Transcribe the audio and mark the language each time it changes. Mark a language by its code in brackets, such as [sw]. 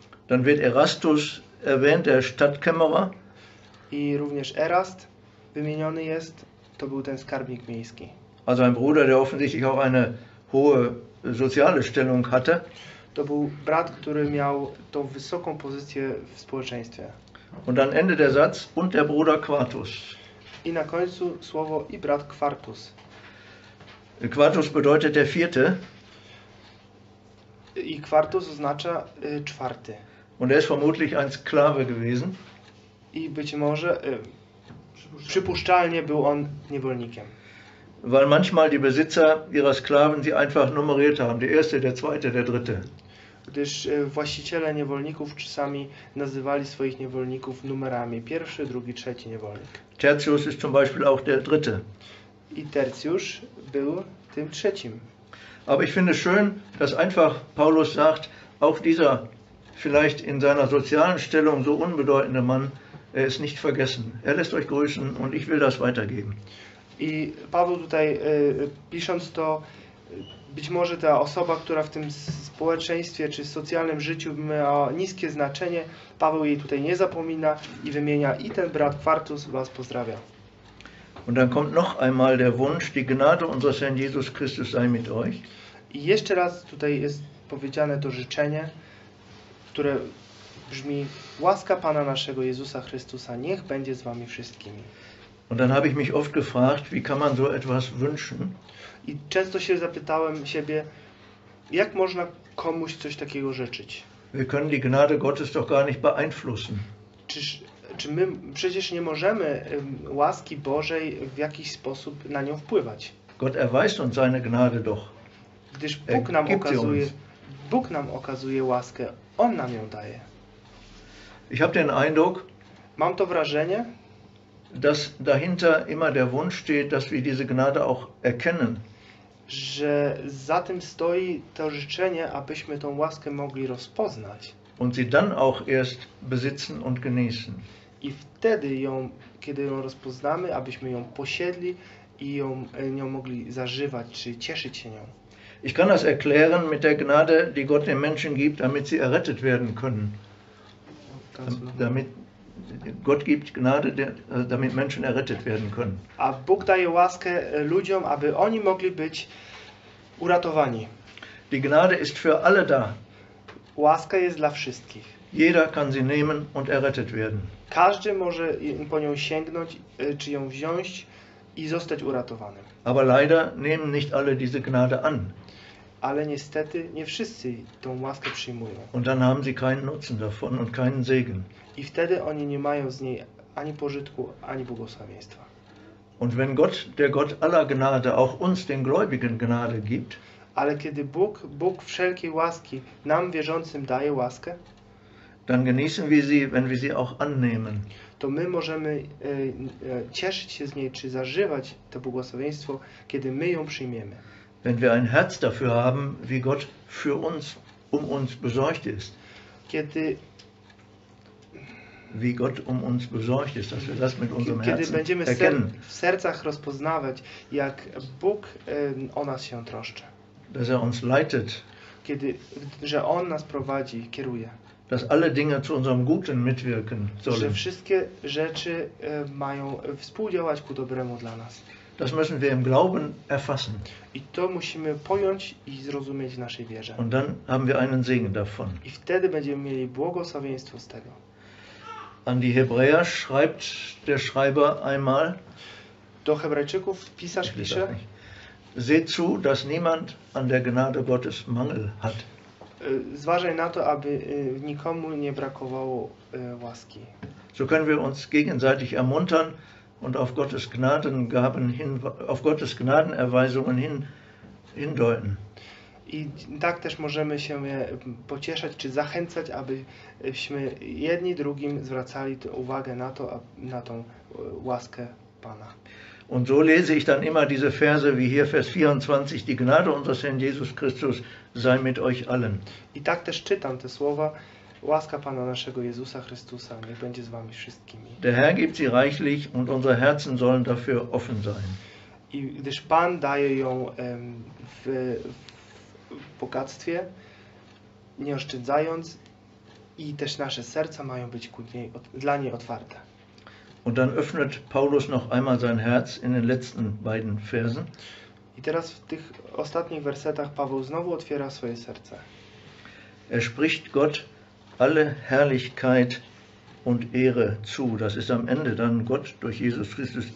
[de] Dann wird Erastus erwähnt, der Stadtkämmerer. [pl] I również Erast wymieniony jest, to był ten skarbnik miejski. [de] Also ein Bruder, der offensichtlich auch eine hohe soziale Stellung hatte. [pl] To był brat, który miał tą wysoką pozycję w społeczeństwie. [de] Und dann Ende der Satz, und der Bruder Quartus. [pl] I na końcu słowo i brat Quartus. [de] Quartus bedeutet der vierte. [pl] I Quartus oznacza czwarty. [de] Und er ist vermutlich ein Sklave gewesen. [pl] I być może przypuszczalnie był on niewolnikiem. [de] Weil manchmal die Besitzer ihrer Sklaven sie einfach nummeriert haben. Der erste, der zweite, der dritte. [pl] Gdyż właściciele niewolników czasami nazywali swoich niewolników numerami. Pierwszy, drugi, trzeci niewolnik. [de] Tertius ist zum Beispiel auch der dritte. [pl] I Tertius był tym trzecim. [de] Aber ich finde schön, dass einfach Paulus sagt, auch dieser vielleicht in seiner sozialen Stellung so unbedeutende Mann, er ist nicht vergessen. Er lässt euch grüßen und ich will das weitergeben. [pl] I Paweł tutaj pisząc to, być może ta osoba, która w tym społeczeństwie czy socjalnym życiu ma niskie znaczenie, Paweł jej tutaj nie zapomina i wymienia i ten brat Quartus was pozdrawia. [de] Und dann kommt noch einmal der Wunsch, die Gnade unseres Herrn Jesus Christus sei mit euch. [pl] I jeszcze raz tutaj jest powiedziane to życzenie, które brzmi: łaska Pana naszego Jezusa Chrystusa niech będzie z wami wszystkimi. [de] Und dann habe ich mich oft gefragt, wie kann man so etwas wünschen? [pl] I często się zapytałem siebie, jak można komuś coś takiego życzyć? [de] Wir können die Gnade Gottes doch gar nicht beeinflussen. [pl] Czy my przecież nie możemy łaski Bożej w jakiś sposób na nią wpływać? [de] Gott erweist uns seine Gnade doch. [pl] Gdyż Bóg nam okazuje, Bóg nam okazuje łaskę, on nam ją daje. [de] Ich habe den Eindruck, [pl] mam to wrażenie, [de] dass dahinter immer der Wunsch steht, dass wir diese Gnade auch erkennen. [pl] że za tym stoi to życzenie, abyśmy tą łaskę mogli rozpoznać. [de] Und sie dann auch erst besitzen und genießen. [pl] I wtedy ją, kiedy ją rozpoznamy, abyśmy ją posiedli i ją nią mogli zażywać, czy cieszyć się nią. [de] Ich kann das erklären mit der Gnade, die Gott den Menschen gibt, damit sie errettet werden können. Damit Gott gibt Gnade, damit Menschen errettet werden können. [pl] A Bóg daje łaskę ludziom, aby oni mogli być uratowani. [de] Die Gnade ist für alle da. [pl] Łaska jest dla wszystkich. [de] Jeder kann sie nehmen und errettet werden. [pl] Każdy może po nią sięgnąć, czy ją wziąć i zostać uratowany. [de] Aber leider nehmen nicht alle diese Gnade an. [pl] Ale niestety nie wszyscy tą łaskę przyjmują. [de] Und dann haben sie keinen Nutzen davon und keinen Segen. [pl] I wtedy oni nie mają z niej ani pożytku, ani błogosławieństwa. [de] Und wenn Gott, der Gott aller Gnade, auch uns den Gläubigen Gnade gibt, [pl] ale kiedy Bóg, Bóg wszelkiej łaski, nam wierzącym daje łaskę, [de] dann genießen wir sie, wenn wir sie auch annehmen. [pl] To my możemy cieszyć się z niej, czy zażywać to błogosławieństwo, kiedy my ją przyjmiemy. [de] Wenn wir ein Herz dafür haben, wie Gott für uns, um uns besorgt ist. [pl] Kiedy, [de] wie Gott um uns besorgt ist, dass wir das mit unserem [pl] kiedy [de] Herzen [pl] będziemy [de] erkennen. [pl] W sercach rozpoznawać, jak Bóg o nas się troszczy. [de] Dass er uns leitet. [pl] Kiedy, że On nas prowadzi, kieruje. [de] Dass alle Dinge zu unserem Guten mitwirken sollen. [pl] Że wszystkie rzeczy mają współdziałać ku dobremu dla nas. [de] Das müssen wir im Glauben erfassen. [pl] I to musimy pojąć i zrozumieć w naszej wierze. [de] Und dann haben wir einen Segen davon. [pl] I wtedy będziemy mieli błogosławieństwo z tego. [de] An die Hebräer schreibt der Schreiber einmal. [pl] Do Hebrajczyków pisarz pisze. [de] Seht zu, dass niemand an der Gnade Gottes Mangel hat. [pl] Zważaj na to, aby nikomu nie brakowało łaski. [de] So können wir uns gegenseitig ermuntern und auf Gottes Gnadengaben hin, auf Gottes Gnadenerweisungen hindeuten. [pl] I tak też możemy się pocieszać czy zachęcać, abyśmy jedni drugim zwracali uwagę na to, na tą łaskę Pana. [de] Und so lese ich dann immer diese Verse, wie hier Vers 24, die Gnade unseres Herrn Jesus Christus sei mit euch allen. [pl] I tak też czytam te słowa, łaska Pana naszego Jezusa Chrystusa, niech będzie z wami wszystkimi. [de] Der Herr gibt sie reichlich und unsere Herzen sollen dafür offen sein. [pl] I gdyż Pan daje ją w bogactwie, nie oszczędzając, i też nasze serca mają być dla niej otwarte. [de] Und dann öffnet Paulus noch einmal sein Herz in den letzten beiden Versen. [pl] I teraz w tych ostatnich wersetach Paweł znowu otwiera swoje serce. [de] Er spricht Gott alle Herrlichkeit und Ehre zu. Das ist am Ende dann Gott durch Jesus Christus.